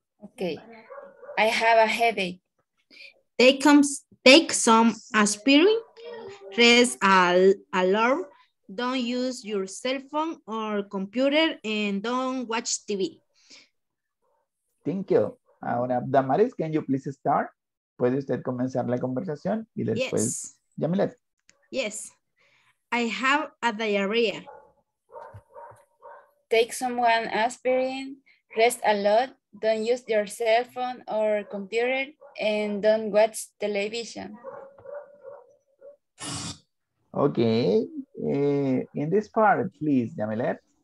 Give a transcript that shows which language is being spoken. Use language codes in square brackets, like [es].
[en] Okay. I have a headache. Take some aspirin, press alarm, don't use your cell phone or computer, and don't watch TV. Thank you. Ahora, Damaris, can you please start? [es] ¿Puede usted comenzar la conversación y después Yamilet? [en] Yes. I have a diarrhea. Take someone aspirin, rest a lot, don't use your cell phone or computer, and don't watch television. Okay. In this part, please, Yamilet.